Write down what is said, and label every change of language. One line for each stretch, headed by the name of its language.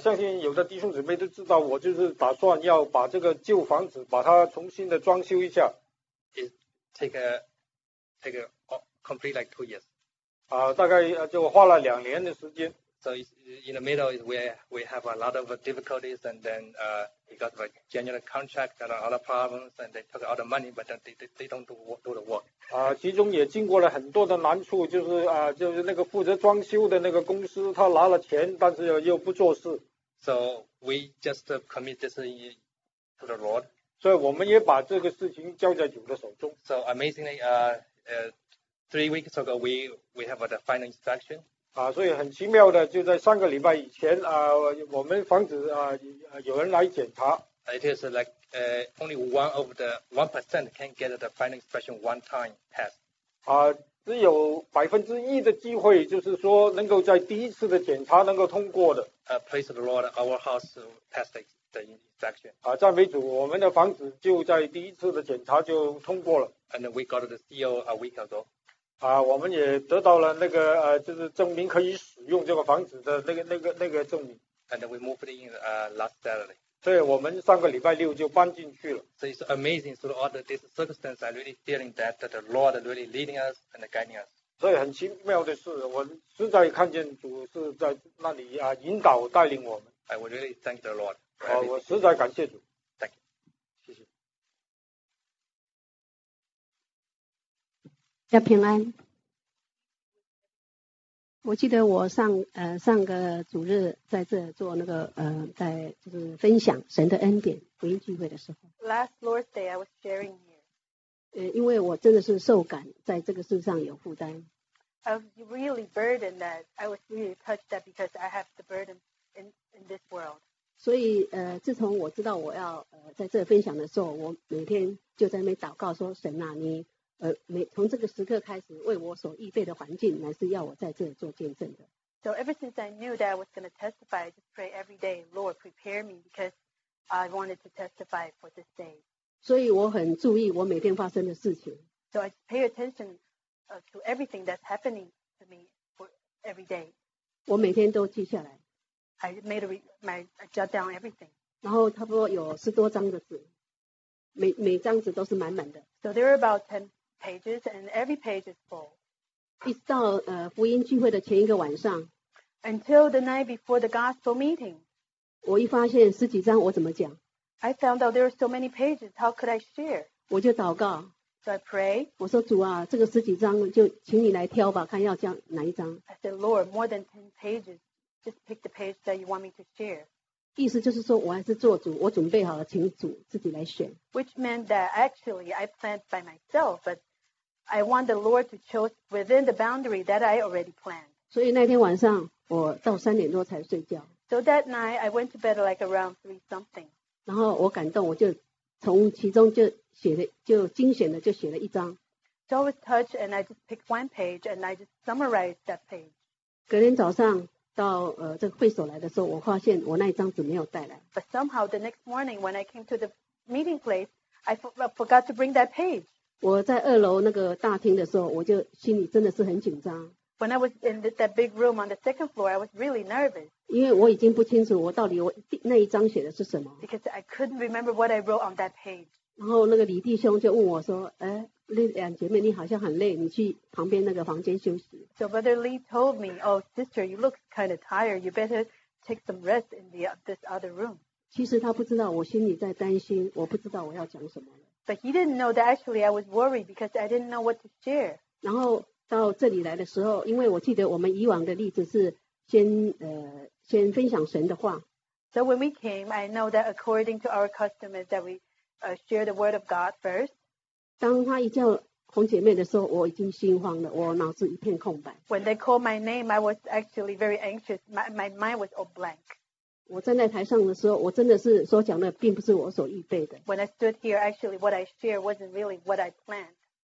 Chinese: 相信有的弟兄姊妹都知道，我就是打算要把这个旧房子把它重新的装修一下。
English: It take a complete like 2 years.
Chinese: 大概就花了两年的时间。
English: So in the middle is where we have a lot of difficulties, and then we got a general contract and other problems, and they took all the money, but they don't do the work.
Chinese: 其中也经过了很多的难处，就是就是那个负责装修的那个公司，他拿了钱，但是又不做事。
English: So we just commit this to the Lord.
Chinese: 所以我们也把这个事情交在主的手中。
English: So amazingly,3 weeks ago, we have the final inspection.
Chinese: 所以很奇妙的，就在上个礼拜以前我们房子有人来检查。
English: It is like only one percent can get the final inspection one time pass.
Chinese: 只有1%的机会，就是说能够在第一次的检查能够通过的。
English: Praise the Lord, our house passed the inspection.
Chinese: 赞美主，我们的房子就在第一次的检查就通过了。
English: And we got the CO a week ago.
Chinese: 我们也得到了那个就是证明可以使用这个房子的那个证明。
English: And we moved in last Saturday.
Chinese: 对，我们上个礼拜六就搬进去了。
English: So it's amazing through all this circumstance, I'm really feeling that the Lord really leading us and guiding us.
Chinese: 所以很奇妙的是，我实在看见主是在那里引导带领我们。
English: I would really thank the Lord.
Chinese: 我实在感谢主。要平安。我记得我上个主日在这做那个在就是分享神的恩典福音聚会的时候。
English: Last Lord's Day, I was sharing here.
Chinese: 因为我真的是受感，在这个世上有负担。
English: I was really burdened that I was really touched that because I have the burden in this world.
Chinese: 所以自从我知道我要在这分享的时候，我每天就在那边祷告说：“神啊，你。” 从这个时刻开始为我所预备的环境乃是要我在这里做见证的。
English: So ever since I knew that I was going to testify, I just pray every day, Lord, prepare me because I wanted to testify for this day.
Chinese: 所以我很注意我每天发生的事情。
English: So I pay attention to everything that's happening to me for every day.
Chinese: 我每天都记下来。
English: I made I jot down everything.
Chinese: 然后差不多有10多张的纸，每张纸都是满满的。
English: So there are about 10 pages and every page is full.
Chinese: 一直到福音聚会的前一个晚上。
English: Until the night before the gospel meeting.
Chinese: 我一发现十几张我怎么讲。
English: I found out there are so many pages, how could I share?
Chinese: 我就祷告。
English: So I pray.
Chinese: 我说主啊，这个十几张就请你来挑吧，看要讲哪一张。
English: I said, Lord, more than 10 pages, just pick the page that you want me to share.
Chinese: 意思就是说我还是做主，我准备好了请主自己来选。
English: Which meant that actually I planned by myself, but I want the Lord to choose within the boundary that I already planned.
Chinese: 所以那天晚上我到3点多才睡觉。
English: So that night I went to bed like around 3 something.
Chinese: 然后我感动，我就从其中就写了，就精选的就写了一张。
English: So I was touched and I just picked one page and I just summarized that page.
Chinese: 隔天早上到这个会所来的时候，我发现我那一张纸没有带来。
English: But somehow the next morning when I came to the meeting place, I forgot to bring that page.
Chinese: 我在二楼那个大厅的时候，我就心里真的是很紧张。
English: When I was in that big room on the second floor, I was really nervous.
Chinese: 因为我已经不清楚我到底我那一张写的是什么。
English: Because I couldn't remember what I wrote on that page.
Chinese: 然后那个李弟兄就问我说：“哎。” 两姐妹你好像很累，你去旁边那个房间休息。
English: So Brother Lee told me, oh sister, you look kind of tired, you better take some rest in this other room.
Chinese: 其实他不知道我心里在担心，我不知道我要讲什么了。
English: But he didn't know that actually I was worried because I didn't know what to share.
Chinese: 然后到这里来的时候，因为我记得我们以往的例子是先分享神的话。
English: So when we came, I know that according to our custom is that we share the word of God first.
Chinese: 当他一叫红姐妹的时候，我已经心慌了，我脑子一片空白。
English: When they called my name, I was actually very anxious. My mind was all blank.
Chinese: 我站在台上的时候，我真的是所讲的并不是我所预备的。
English: When I stood here, actually what I shared wasn't really what I planned.